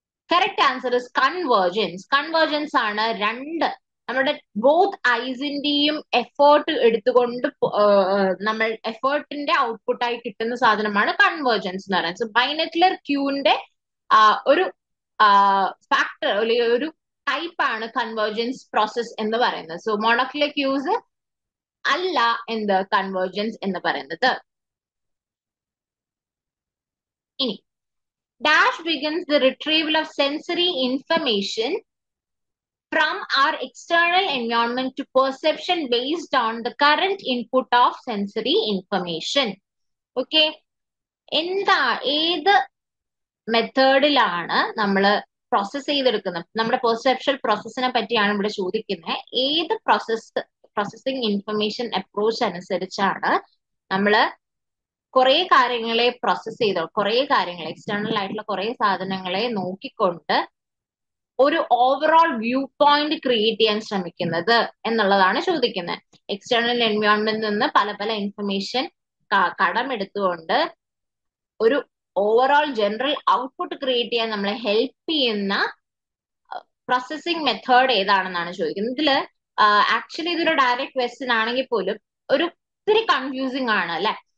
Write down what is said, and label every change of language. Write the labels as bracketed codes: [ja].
[en] Correct answer is convergence. [ml] Convergence ആണ് രണ്ട് നമ്മുടെ ബോത്ത് ഐസിന്റെയും എഫേർട്ട് എടുത്തുകൊണ്ട് നമ്മൾ എഫേർട്ടിന്റെ ഔട്ട്പുട്ട് ആയി കിട്ടുന്ന സാധനമാണ് കൺവേർജൻസ് എന്ന് പറയുന്നത്. സോ ബൈനോക്യുലർ ക്യൂവിന്റെ ഒരു ഫാക്ടർ അല്ലെങ്കിൽ ഒരു ടൈപ്പ് ആണ് കൺവേർജൻസ് പ്രോസസ് എന്ന് പറയുന്നത്. സോ മോണോക്യുലർ ക്യൂസ് അല്ല എന്ത് കൺവേർജൻസ് എന്ന് പറയുന്നത്. [en] ഇനി dash begins the retrieval of sensory information from our external environment to perception based on the current input of sensory information. [ml] Okay, enda edu method ilana nammal process cheyidukunnu nammude perceptual process ne pattiyana ibide chodikkunne edu processing information approach anusarichana nammal കുറെ കാര്യങ്ങളെ process ചെയ്ത് കുറെ കാര്യങ്ങളെ external ആയിട്ടുള്ള കുറെ സാധനങ്ങളെ നോക്കിക്കൊണ്ട് ഒരു ഓവറോൾ വ്യൂ പോയിന്റ് ക്രിയേറ്റ് ചെയ്യാൻ ശ്രമിക്കുന്നത് എന്നുള്ളതാണ് ചോദിക്കുന്നത്. എക്സ്റ്റേണൽ എൻവയോൺമെന്റിൽ നിന്ന് പല പല ഇൻഫർമേഷൻ കടമെടുത്തുകൊണ്ട് ഒരു ഓവറോൾ ജനറൽ ഔട്ട്പുട്ട് ക്രിയേറ്റ് ചെയ്യാൻ നമ്മളെ ഹെൽപ്പ് ചെയ്യുന്ന പ്രോസസ്സിംഗ് മെത്തേഡ് ഏതാണെന്നാണ് ചോദിക്കുന്നത്. ഇതിൽ ആക്ച്വലി ഇതൊരു ഡയറക്റ്റ് ക്വസ്റ്റ്യൻ ആണെങ്കിൽ പോലും ഒരു ഒത്തിരി കൺഫ്യൂസിംഗ് ആണ് അല്ലെ.